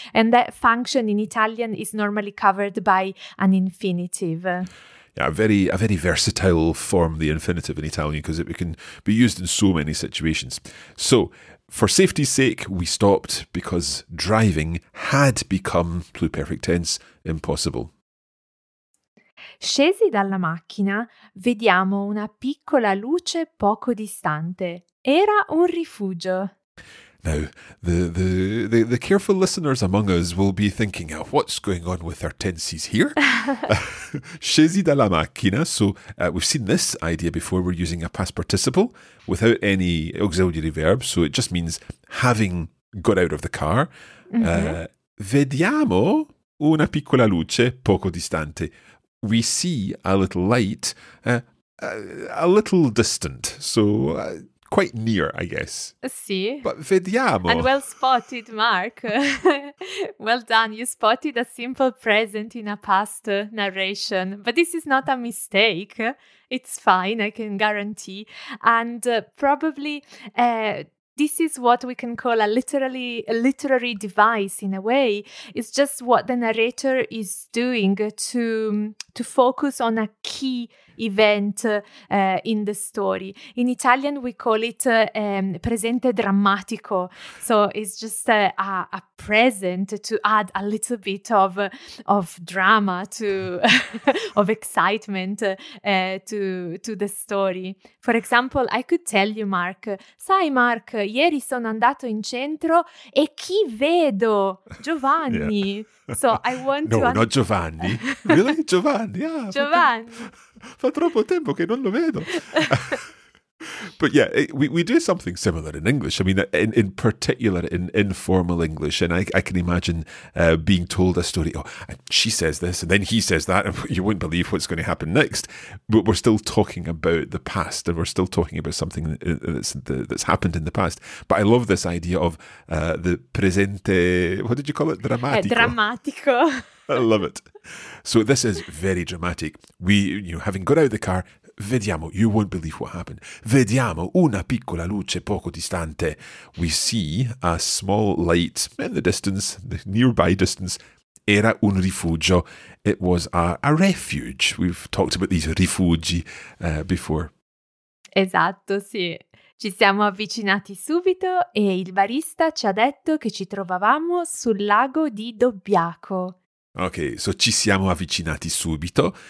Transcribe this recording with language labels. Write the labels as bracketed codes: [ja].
[en] And that function in Italian is normally covered by an infinitive. Yeah, a very versatile form, the infinitive in Italian, because it can be used in so many situations. So, for safety's sake, we stopped because driving had become, pluperfect tense, impossible. [it] Scesi dalla macchina, vediamo una piccola luce poco distante. Era un rifugio. [en] Now, the careful listeners among us will be thinking, what's going on with our tenses here? [it] Scesi dalla macchina. [en] So, we've seen this idea before. We're using a past participle without any auxiliary verb. So, it just means having got out of the car. Mm-hmm. [it] Vediamo una piccola luce poco distante. [en] We see a little light a little distant. So... quite near, I guess. [it] Sì. [en] But vediamo. And well spotted, Mark. Well done. You spotted a simple present in a past narration. But this is not a mistake. It's fine, I can guarantee. And probably this is what we can call a literary device in a way. It's just what the narrator is doing to focus on a key event in the story. In Italian, we call it presente drammatico. So it's just a present to add a little bit of drama to of excitement to the story. For example, I could tell you, Mark. [it] Sai, Mark, ieri sono andato in centro e chi vedo? Giovanni. [en] Yeah. So I want no, to. No, not Giovanni. Really, Giovanni? Yeah, Giovanni. [it] Fa troppo tempo che non lo vedo. [en] But yeah, we do something similar in English. I mean, in particular, in informal English. And I can imagine being told a story. Oh, she says this and then he says that. And you wouldn't believe what's going to happen next. But we're still talking about the past and we're still talking about something that's happened in the past. But I love this idea of the presente, what did you call it? [it] Drammatico. Drammatico. [en] I love it. So this is very dramatic. We, you know, having got out of the car, vediamo, you won't believe what happened. [it] Vediamo una piccola luce poco distante. [en] We see a small light in the distance, the nearby distance. [it] Era un rifugio. [en] It was a refuge. We've talked about these rifugi before. [it] Esatto, sì. Ci siamo avvicinati subito e il barista ci ha detto che ci trovavamo sul lago di Dobbiaco. [en] Okay, so [it] ci siamo avvicinati subito.